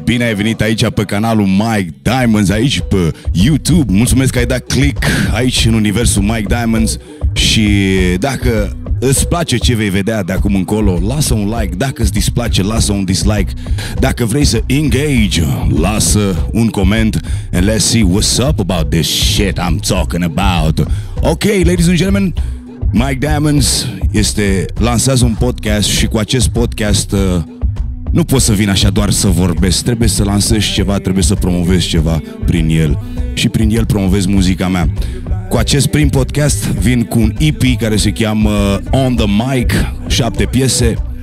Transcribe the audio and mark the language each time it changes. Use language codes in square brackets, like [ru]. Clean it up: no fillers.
[ro] Bine ai venit aici pe canalul Mike Diamonds, aici pe YouTube. Mulțumesc că ai dat click aici în universul Mike Diamonds. Și dacă îți place ce vei vedea de acum încolo, lasă un like. Dacă îți displace, lasă un dislike. Dacă vrei să engage, lasă un coment. [en] And let's see what's up about this shit I'm talking about. [ro] Ok, [en] ladies and gentlemen, [ro] Mike Diamonds lansează un podcast și cu acest podcast nu pot să vin așa doar să vorbesc. Trebuie să lansezi ceva, trebuie să promovezi ceva prin el. Și prin el promovezi muzica mea. Cu acest prim podcast vin cu un EP care se cheamă On The Mic, 7 piese.